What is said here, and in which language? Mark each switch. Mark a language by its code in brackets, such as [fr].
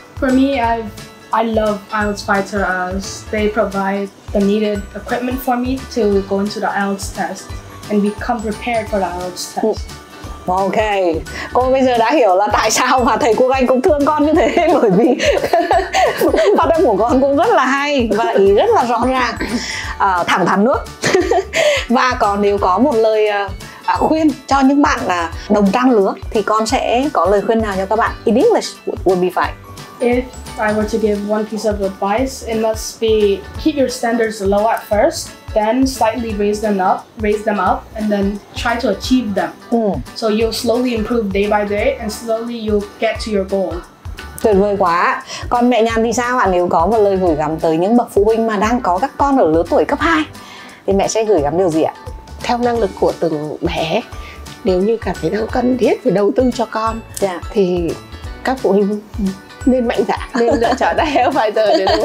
[en] For me, I love IELTS Spider as they provide the needed equipment for me to go into the IELTS test and become prepared for the IELTS test. [vi] Ok, cô bây giờ đã hiểu là tại sao mà thầy Quốc Anh cũng thương con như thế, bởi vì hoạt động của con cũng rất là hay và ý rất là rõ ràng, thẳng thắn nữa. Và còn nếu có một lời khuyên cho những bạn đồng trang lứa thì con sẽ có lời khuyên nào cho các bạn? [en] In English would be fine. If I were to give one piece of advice, it must be keep your standards low at first, then slightly raise them up, and then try to achieve them. So you'll slowly improve day by day, and slowly you'll get to your goal. [vi] Tuyệt vời quá. Còn mẹ Nhàn thì sao ạ? Nếu có một lời gửi gắm tới những bậc phụ huynh mà đang có các con ở lứa tuổi cấp 2, thì mẹ sẽ gửi gắm điều gì ạ? Theo năng lực của từng bé, nếu như cảm thấy đâu cần thiết phải đầu tư cho con, [en] yeah, [vi] thì các phụ huynh nên mạnh dạn, nên lựa chọn đại học vài giờ để đúng